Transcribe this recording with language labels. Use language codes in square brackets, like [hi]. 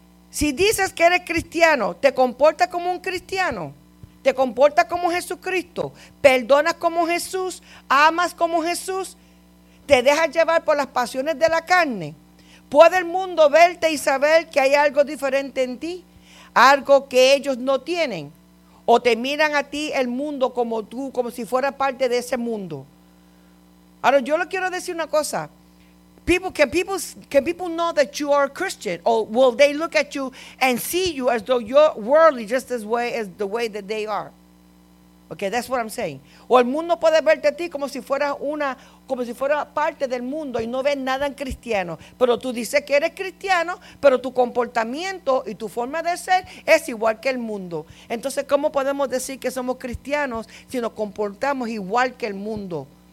[es] Si dices que eres cristiano, te comportas como un cristiano, te comportas como Jesucristo, perdonas como Jesús, amas como Jesús, te dejas llevar por las pasiones de la carne, ¿puede el mundo verte y saber que hay algo diferente en ti? Algo que ellos no tienen. O te miran a ti el mundo como tú, como si fuera parte de ese mundo. Ahora, yo le quiero decir una cosa. [en] Can people know that you are a Christian? Or will they look at you and see you as though you're worldly, just as way as the way that they are? Okay, that's what I'm saying. [es] O el mundo puede verte a ti como si fuera una, como si fuera parte del mundo y no ve nada en cristiano. Pero tú dices que eres cristiano, pero tu comportamiento y tu forma de ser es igual que el mundo. Entonces, ¿cómo podemos decir que somos cristianos si nos comportamos igual que el mundo?